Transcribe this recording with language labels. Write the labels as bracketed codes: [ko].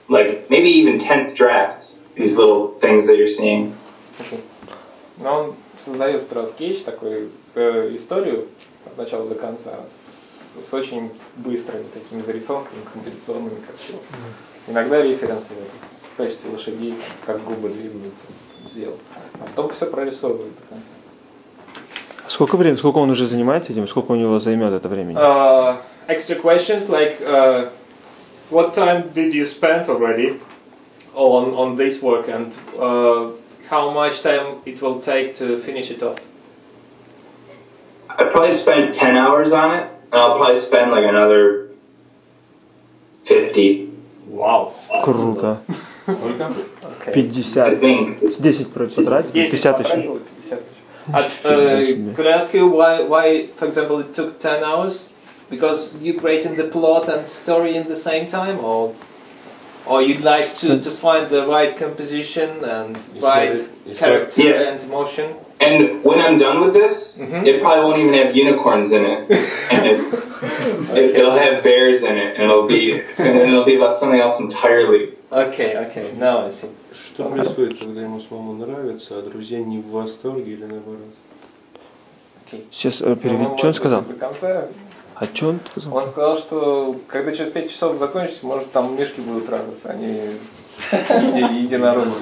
[en] Like maybe even tenth drafts, these little things that you're seeing. Okay. [ru] Но он создает стресс-кейдж, такую историю от начала до конца, с очень быстрыми такими зарисовками, композиционными, как все. Иногда референсы в качестве лошадей, как губы двигаются, сделал. А потом все прорисовывает до конца. Сколько времени, сколько он уже занимается этим, сколько у него займет это времени? [en] Extra questions, like, what time did you spend already on this work, and how much time it will take to finish it off? I probably spent 10 hours on it, and I'll probably spend like another 50. Wow. [ru] Круто. Сколько? 50. 10 потратил, 50 еще. [en] Could I ask you why, for example, it took 10 hours? Because you creating the plot and story in the same time, or? Or you'd like to find the right composition and character and emotion? And when I'm done with this, it probably won't even have unicorns in it. It'll have bears in it, and it'll be about something else entirely. Okay, now I see. [ru] Что происходит, когда ему самому нравится, а друзья не в восторге или наоборот? Сейчас переведу, что он сказал? А что он сказал? Он сказал, что когда через 5 часов закончится, может там мишки будут радоваться, а не единороги.